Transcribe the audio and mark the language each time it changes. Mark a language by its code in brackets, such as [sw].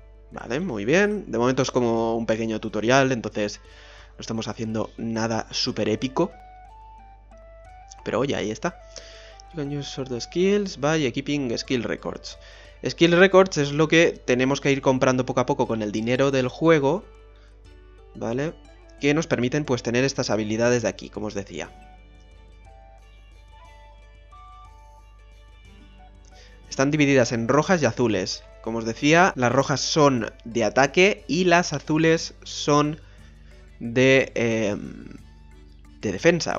[es] Vale, muy bien. De momento es como un pequeño tutorial, entonces no estamos haciendo nada súper épico. Pero oye, ahí está. [en] You can use sword skills by equipping skill records. [es] Skill records es lo que tenemos que ir comprando poco a poco con el dinero del juego, ¿vale? Que nos permiten pues tener estas habilidades de aquí, como os decía. Están divididas en rojas y azules. Como os decía, las rojas son de ataque y las azules son de defensa.